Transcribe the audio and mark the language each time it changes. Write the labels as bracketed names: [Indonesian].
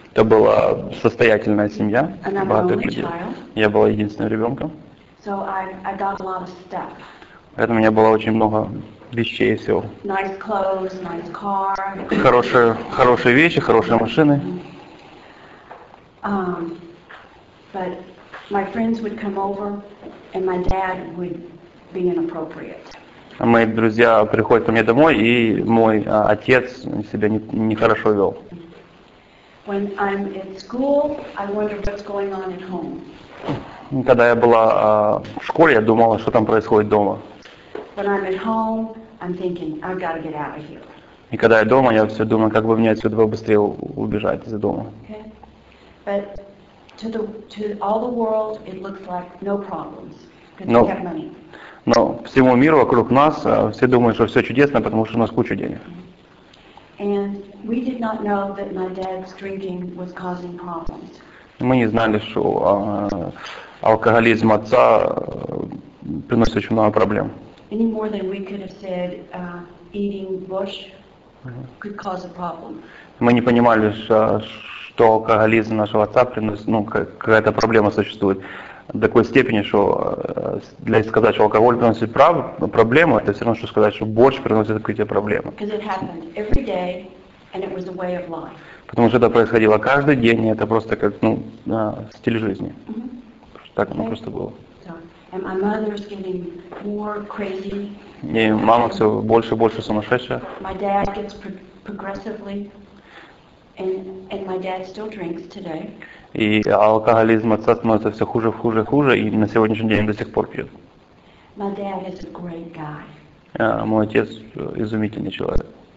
[Russian] Это была состоятельная семья, богатых людей. Я была единственным ребенком. [English] So I got a lot of stuff. [Russian] Поэтому у меня было очень много вещей и всего. [English] Nice clothes, nice car. [Russian] Хорошие вещи, хорошие машины. [English] But my friends would come over, and my dad would be inappropriate. [Russian] Мои друзья приходят ко мне домой, и мой отец себя нехорошо вел. [English] When I'm at school, I wonder what's going on at home. [Russian] Когда я была в школе, я думала, что там происходит дома. [English] When I'm at home, I'm thinking, I've got to get out of here. [Russian] И когда я дома, я все думаю, как бы мне отсюда побыстрее убежать из дома. [English] Okay. But to all the world, it looks like no problems, because we have money. [Russian] Но всему миру вокруг нас все думают, что все чудесно, потому что у нас куча денег. [English] And we did not know that my dad's drinking was causing problems. [Russian] Мы не знали, что алкоголизм отца приносит очень много проблем. [English] Any more than we could have said, eating bush could cause a problem. [Russian] Мы не понимали, что алкоголизм нашего отца приносит, ну, какая-то проблема существует. До такой степени, что для сказать, что алкоголь приносит проблему, это все равно, что сказать, что борщ приносит какие-то проблемы. [English] Because it happened every day, and it was a way of life. [Russian] Потому что это происходило каждый день, и это просто как, ну, стиль жизни. Mm-hmm. Так оно просто было. [English] And my mother's getting more crazy. [Russian] И мама все больше и больше сумасшедшая. [English] My dad gets progressively, and my dad still drinks today. [Russian] И алкоголизм отца становится все хуже, хуже, хуже, и на сегодняшний день до сих пор пьет. [English] My dad is a great guy. [Russian] Мой отец изумительный человек.